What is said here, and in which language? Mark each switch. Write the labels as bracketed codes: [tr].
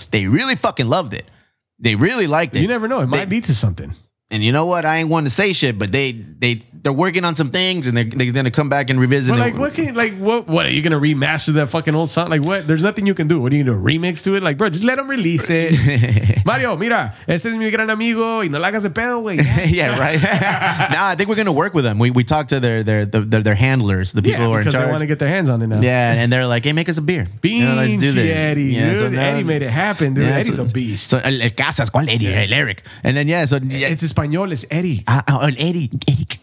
[en] They really fucking loved it. They really liked it. You never know. It might lead to something. And you know what? I ain't one to say shit, but they're working on some things, and they're gonna come back and revisit. But like, what are you gonna remaster that fucking old song? Like, what? There's nothing you can do. What are you gonna do, a remix to it? Like, bro, just let them release it. [es] Mario, mira, este es mi gran amigo, y no la hagas de pedo, güey. [en] Yeah, right. Nah, I think we're gonna work with them. We talked to their handlers, the people who are in charge. They want to get their hands on it now. Yeah, and they're like, hey, make us a beer. Beans, you know, let's do this. Eddie. Yeah, dude, so now, Eddie made it happen, dude. Yeah, Eddie's a beast. So el Casas, [es] ¿cuál Eddie? [en] Yeah. El Eric. And then yeah, so yeah. It's español, es Eddie. Eric.